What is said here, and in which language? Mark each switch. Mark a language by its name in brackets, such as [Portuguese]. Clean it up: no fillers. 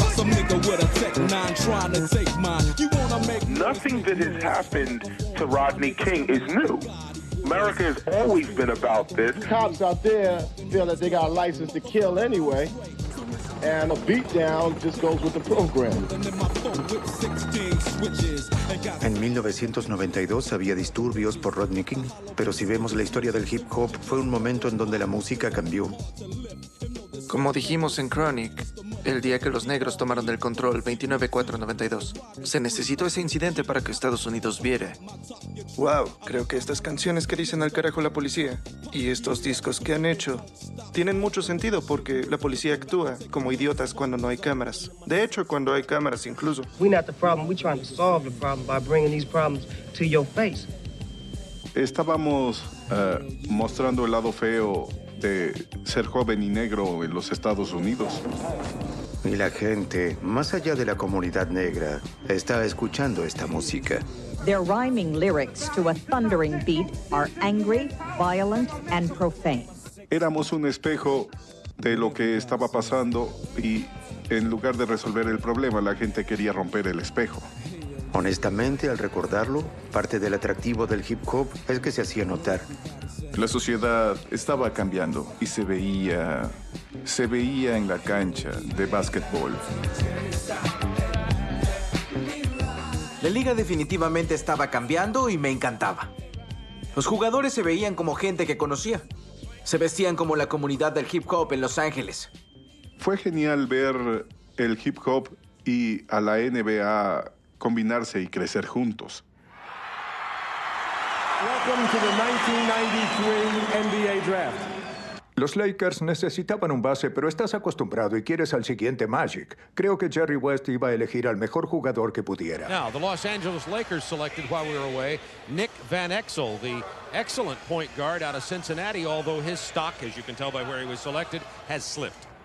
[English] Some nigga with a tech nine trying to take mine. You wanna make nothing that has happened to Rodney King is new. America has always been about this. Cops out there feel that they got a license to kill anyway. And a beatdown just goes with the program. [Spanish] En 1992 había disturbios por Rodney King, pero si vemos la historia del hip hop, fue un momento en donde la música cambió. Como dijimos en Chronic, el día que los negros tomaron el control, 29-4-92, se necesitó ese incidente para que Estados Unidos viera. Wow, creo que estas canciones que dicen al carajo la policía y estos discos que han hecho tienen mucho sentido porque la policía actúa como idiotas cuando no hay cámaras. De hecho, cuando hay cámaras incluso. [English] We're not the problem, we're trying to solve the problem by bringing these problems to your face. [Spanish] Estábamos mostrando el lado feo de ser joven y negro en los Estados Unidos. Y la gente, más allá de la comunidad negra, está escuchando esta música. [English] Their rhyming lyrics to a thundering beat are angry, violent, and profane. [Spanish] Éramos un espejo de lo que estaba pasando y en lugar de resolver el problema, la gente quería romper el espejo. Honestamente, al recordarlo, parte del atractivo del hip hop es que se hacía notar. La sociedad estaba cambiando y se veía en la cancha de básquetbol. La liga definitivamente estaba cambiando y me encantaba. Los jugadores se veían como gente que conocía. Se vestían como la comunidad del hip hop en Los Ángeles. Fue genial ver el hip hop y a la NBA combinarse y crecer juntos. [English] Welcome to the 1993 NBA Draft. [Spanish] Los Lakers necesitaban un base, pero estás acostumbrado y quieres al siguiente Magic. Creo que Jerry West iba a elegir al mejor jugador que pudiera. [English] Now, the Los Angeles Lakers selected while we were away Nick Van Exel, the excellent point guard out of Cincinnati, although his stock, as you can tell by where he was selected, has slipped.